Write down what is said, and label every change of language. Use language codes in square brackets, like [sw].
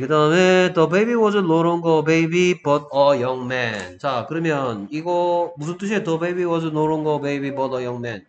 [ko] 그 다음에, [en] The baby was a little baby but a young man. [ko] 자, 그러면, 이거, 무슨 뜻이에요? [en] The baby was a little baby but a young man.